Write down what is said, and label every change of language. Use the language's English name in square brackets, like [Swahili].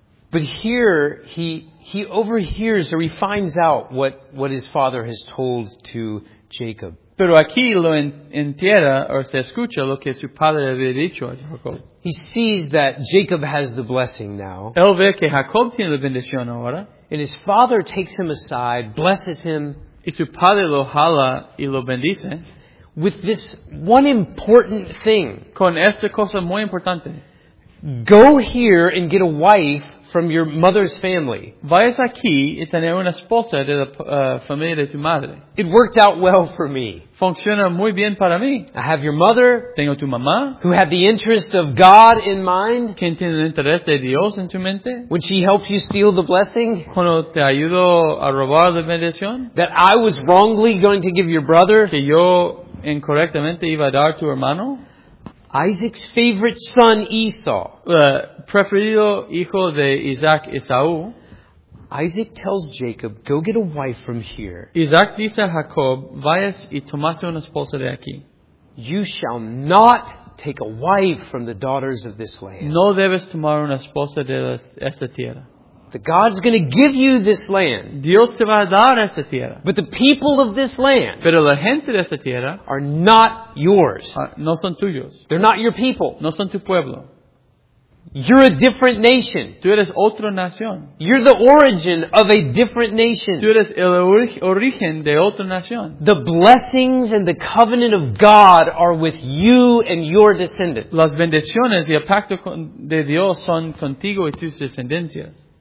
[English] But here he overhears or he finds out what his father has told to Jacob. [Spanish] Pero aquí lo entera o se escucha lo que su padre había dicho a Jacob. [English] He sees that Jacob has the blessing now. [Spanish] Él ve que Jacob tiene la bendición ahora. [English] And his father takes him aside, blesses him. [Spanish] Y su padre lo jala y lo bendice. [English] With this one important thing. [Spanish] Con esta cosa muy importante. [English] Go here and get a wife from your mother's family. [Spanish] Vayas aquí y tener una esposa de la familia de tu madre. [English] It worked out well for me. [Spanish] Funciona muy bien para mí. [English] I have your mother. [Spanish] Tengo tu mamá. [English] Who had the interest of God in mind. [Spanish] Que tiene el interés de Dios en su mente. [English] When she helped you steal the blessing. [Spanish] Cuando te ayudó a robar la bendición. [English] That I was wrongly going to give your brother. [Spanish] Que yo incorrectamente iba a dar tu hermano. [English] Isaac's favorite son, Esau. [Spanish] Preferido hijo de Isaac, Esaú. [English] Isaac tells Jacob, go get a wife from here. [Spanish] Isaac dice a Jacob, vayas y tomase una esposa de aquí. [English] You shall not take a wife from the daughters of this land. [Spanish] No debes tomar una esposa de esta tierra. [English] The God's going to give you this land. [Spanish] Dios te va a dar esta tierra. [English] But the people of this land. [Spanish] Pero la gente de esta tierra. [English] Are not yours. [Spanish] No son tuyos. [English] They're not your people. [Spanish] No son tu pueblo. [English] You're a different nation. [Spanish] Tú eres otra nación. [English] You're the origin of a different nation. [Spanish] Tú eres el origen de otra nación. [English] The blessings and the covenant of God are with you and your descendants. [Spanish] Las bendiciones y el pacto de Dios son contigo y tus descendencias.